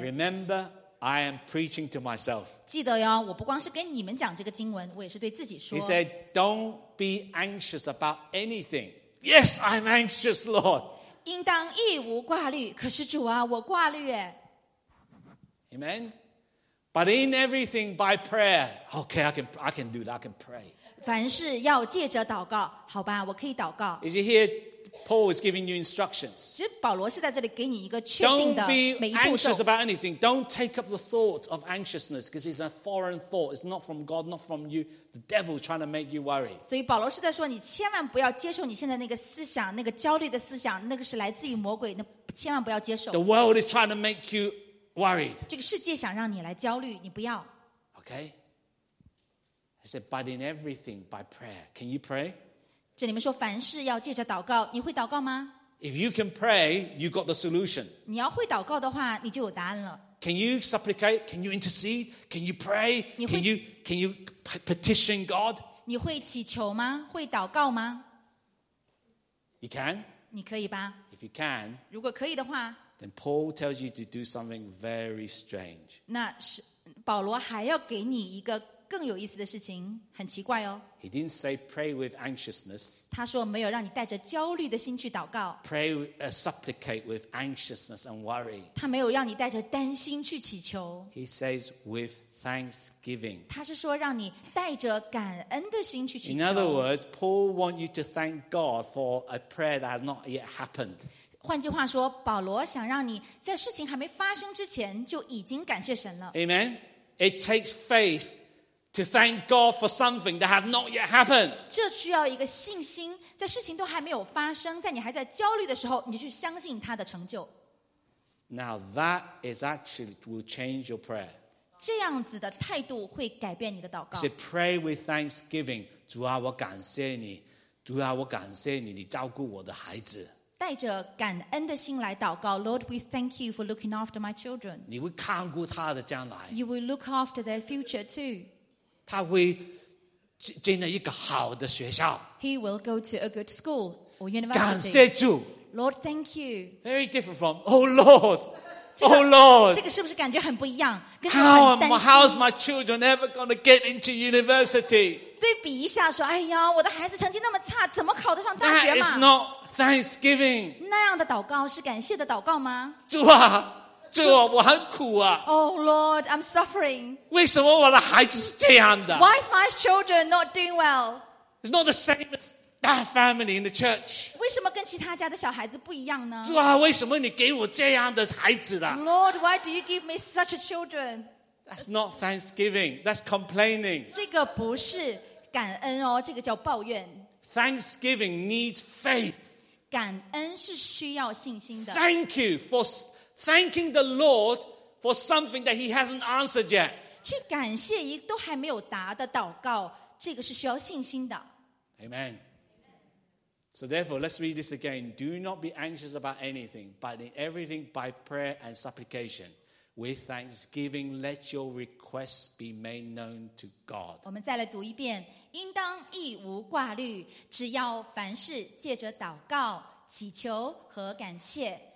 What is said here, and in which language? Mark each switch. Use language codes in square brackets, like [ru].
[en] Remember, I am preaching to myself. [zh] 记得哟，我不光是跟你们讲这个经文，我也是对自己说。 [en] He said, "Don't." Be anxious about anything. Yes, I'm anxious, Lord. [zh] 应当一无挂虑。可是主啊，我挂虑耶。 [en] Amen. But in everything by prayer, okay, I can do that, I can pray. [zh] 凡事要借着祷告，好吧，我可以祷告。 [en] Is you hear, Paul is giving you instructions. [zh] 其实保罗是在这里给你一个确定的每一步骤。 [en] Don't be anxious about anything. Don't take up the thought of anxiousness because it's a foreign thought. It's not from God, not from you. The devil trying to make you worry. [zh] 所以保罗是在说，你千万不要接受你现在那个思想，那个焦虑的思想，那个是来自于魔鬼，那千万不要接受。 [en] The world is trying to make you worried. [zh] 这个世界想让你来焦虑，你不要。 [en] Okay. He said, but in everything by prayer. Can you pray? [zh] 这里面说凡事要借着祷告，你会祷告吗？ [en] If you can pray, you got the solution. [zh] 你要会祷告的话，你就有答案了。 [en] Can you supplicate? Can you intercede? Can you pray? [zh] 你会 [en] can you petition God? [zh] 你会祈求吗？会祷告吗？ [en] You can? [zh] 你可以吧？ [en] If you can, [zh] 如果可以的话， [en] then Paul tells you to do something very strange. [zh] 那是保罗还要给你一个更有意思的事情，很奇怪哦。 [en] He didn't say pray with anxiousness. [zh] 他说没有让你带着焦虑的心去祷告。 [en] Pray, supplicate with anxiousness and worry. [zh] 他没有让你带着担心去祈求。 [en] He says with thanksgiving. [zh] 他是说让你带着感恩的心去祈求。 [en] In other words, Paul wants you to thank God for a prayer that has not yet happened. [zh] 换句话说，保罗想让你在事情还没发生之前就已经感谢神了。 [en] Amen. It takes faith. To thank God for something that has not yet happened. [zh] 这需要一个信心，在事情都还没有发生，在你还在焦虑的时候，你去相信他的成就。 [en] Now that is actually will change your prayer. [zh] 这样子的态度会改变你的祷告。 [en] Say pray with thanksgiving. [zh] 主啊，我感谢你，主啊，我感谢你，你照顾我的孩子。带着感恩的心来祷告 [en] Lord, we thank you for looking after my children. [zh] 你会看顾他的将来。 [en] You will look after their future too. [zh] 他会进了一个好的学校。 [en] He will go to a good school or university. [zh] 感谢主。 [en] Lord, thank you. Very different from, Oh Lord, Oh Lord. [zh] 这个是不是感觉很不一样？跟他很担心。 [en] How's my children ever going to get into university? [zh] 对比一下说，哎呀，我的孩子成绩那么差，怎么考得上大学嘛？ [en] That is not thanksgiving. [zh] 那样的祷告是感谢的祷告吗？主啊。主啊，我很苦啊。 [en] Oh Lord, I'm suffering. [zh] 为什么我的孩子是这样的？ [en] Why is my children not doing well? It's not the same as that family in the church. [zh] 为什么跟其他家的小孩子不一样呢？主啊，为什么你给我这样的孩子了？ [en] Lord, why do you give me such a children? That's not thanksgiving. That's complaining. [zh] 这个不是感恩哦，这个叫抱怨。 [en] Thanksgiving needs faith. [zh] 感恩是需要信心的。 [en] Thank you for... Thanking the Lord for something that He hasn't answered yet. [zh] 去感谢一都还没有答的祷告，这个是需要信心的。 [en] Amen. So therefore, let's read this again. Do not be anxious about anything, but in everything by prayer and supplication, with thanksgiving, let your requests be made known to God. [zh] 我们再来读一遍：应当一无挂虑，只要凡事借着祷告、祈求和感谢。